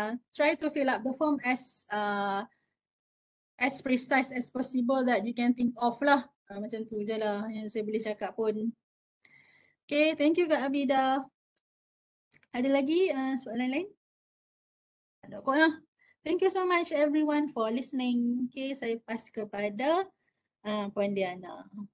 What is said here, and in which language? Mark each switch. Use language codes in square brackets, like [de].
[en] Try to fill up the form as precise as possible that you can think of [ms] lah. Macam tu je lah yang saya boleh cakap pun. [en] Okay, thank you [ms] Kak Abida. Ada lagi soalan lain? Ada kot lah. [en] Thank you so much everyone for listening. [ms] Okay, saya pass kepada Puan Diana.